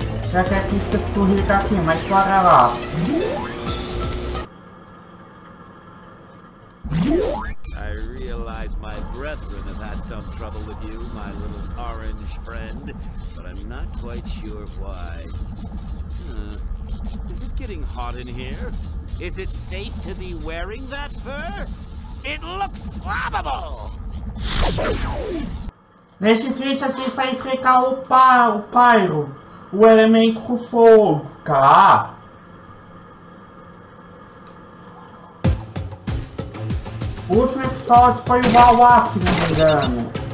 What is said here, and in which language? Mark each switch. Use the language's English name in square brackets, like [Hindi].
[Portuguese] Já que a pista ficou rica aqui, mas para lá. [English] I realize my brethren have had some trouble with you, my little orange friend, but I'm not quite sure why. Is it getting hot in here? Is it safe to be wearing that fur? It looks flammable! [Portuguese] Nesse vídeo a gente vai enfrentar o pyro, o elemento com fogo, tá? O último episódio foi o Bauá, se não me engano.